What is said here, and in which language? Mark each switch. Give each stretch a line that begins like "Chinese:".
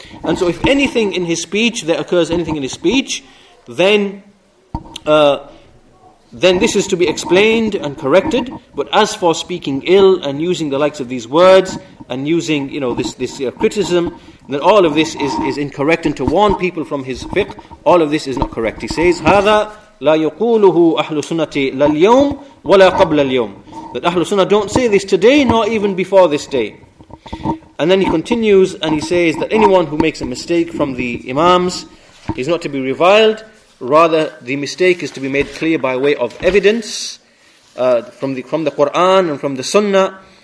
English: And so if anything in his speech, there occurs anything in his speech, then this is to be explained and corrected. But as for speaking ill and using the likes of these words and using, you know, this criticism, then all of this is incorrect. And to warn people from his fiqh, all of this is not correct. He says,
Arabic: هذا لا يقوله أهل السنة لليوم ولا قبل اليوم.
English: That Ahlul Sunnah don't say this today, nor even before this day. And then he continues and he says that anyone who makes a mistake from the Imams is not to be reviled, rather the mistake is to be made clear by way of evidence from the Quran and from the Sunnah.